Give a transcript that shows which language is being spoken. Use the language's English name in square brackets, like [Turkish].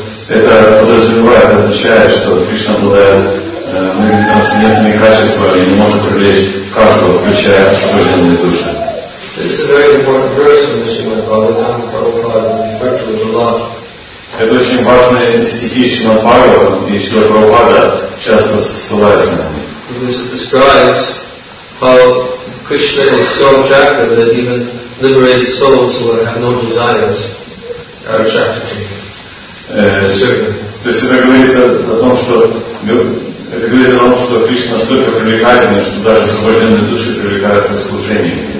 [Russian] Это подразумевает, означает, что Кришна обладает трансцендентными качествами и не может привлечь каждого, включая освобожденные души. Это очень важные стихи Шримад Бхагаватам, и Шрила Прабхупада часто ссылается на них. [English] So attractive that even liberated souls who have no desires are attracted to him. [Russian] То есть это говорится о том, что Кришна столько привлекательный, что даже освобожденные души привлекаются к служению.